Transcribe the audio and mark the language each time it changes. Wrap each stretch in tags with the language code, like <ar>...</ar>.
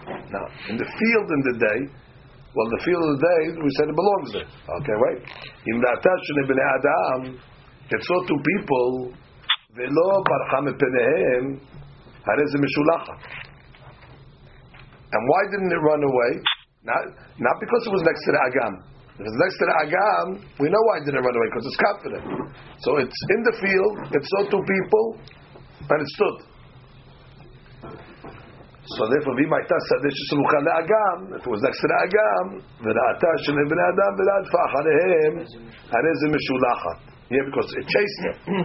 <en>Now, in the field in the day, well, the field in the day, we said it belongs there. Okay, right?</en> <he>אם ראתה שני בני אדם,</he> <en>it's all two people,</en> <he>ולא ברחה מפניהם,</he> <en>and why didn't it run away? Not because it was next to the Agam. If it's next to the Agam, we know why it didn't run away, because it's confident. So it's in the field, it saw two people, and it stood. So therefore, we might test that this is the Agam. If it was next to the Agam, yeah, because it chased him.</en>